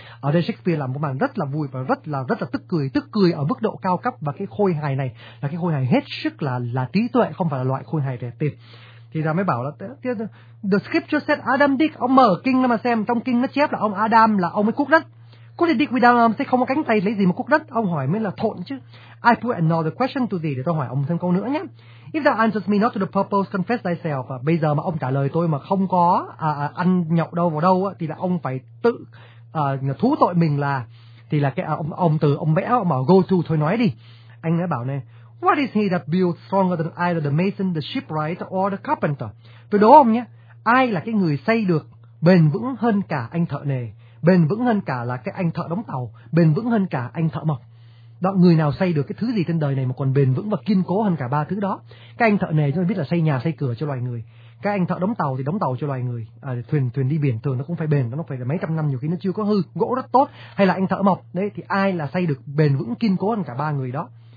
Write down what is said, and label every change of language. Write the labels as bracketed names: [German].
[Vietnamese] Ở đây Shakespeare làm một màn rất là vui và rất là tức cười ở mức độ cao cấp, và cái khôi hài này là cái khôi hài hết sức là trí tuệ, không phải là loại khôi hài rẻ tiền. Thì ra mới bảo là [English] the scripture said Adam dig, [Vietnamese] ông mở kinh mà xem, trong kinh nó chép là ông Adam là ông ấy cuốc đất. Cuốc đi [English] dig without arms, [Vietnamese] thế không có cánh tay lấy gì mà cuốc đất, ông hỏi mới là thộn chứ. [English] I put another question to thee, [Vietnamese] để tôi hỏi ông thêm câu nữa nhé. [English] If thou answerest me not to the purpose, confess thyself. [Vietnamese] Bây giờ mà ông trả lời tôi mà không có ăn nhậu đâu vào đâu thì là ông phải tự thú tội mình là, thì là cái ông từ ông bẽ ông bảo [English] go to, [Vietnamese] thôi nói đi. Anh ấy bảo này, [English] what is he that builds stronger than either the mason, the shipwright or the carpenter? [Vietnamese] Tôi đố ông nhé, ai là cái người xây được bền vững hơn cả anh thợ nề, bền vững hơn cả là cái anh thợ đóng tàu, bền vững hơn cả anh thợ mộc? Đó, người nào xây được cái thứ gì trên đời này mà còn bền vững và kiên cố hơn cả ba thứ đó? Cái anh thợ nề chúng ta biết là xây nhà xây cửa cho loài người, cái anh thợ đóng tàu thì đóng tàu cho loài người, thuyền đi biển thường nó cũng phải bền, nó phải là mấy trăm năm nhiều khi nó chưa có hư, gỗ rất tốt, hay là anh thợ mộc đấy, thì ai là xây được bền vững kiên cố hơn cả ba người đó?